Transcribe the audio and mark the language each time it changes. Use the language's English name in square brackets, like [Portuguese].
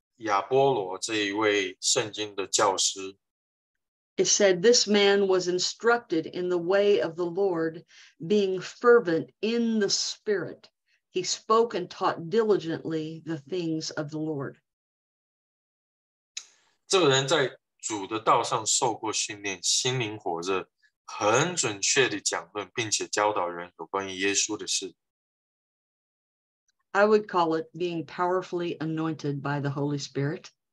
[Chinese] 这里所提到的是亚波罗这一位圣经的教师。 [English] It said this man was instructed in the way of the Lord, being fervent in the spirit. He spoke and taught diligently the things of the Lord. [Chinese] 这个人在 主的道上受过训练，心灵火热，很准确地讲论，并且教导人有关于耶稣的事。 [English] I would call it being powerfully anointed by the Holy Spirit.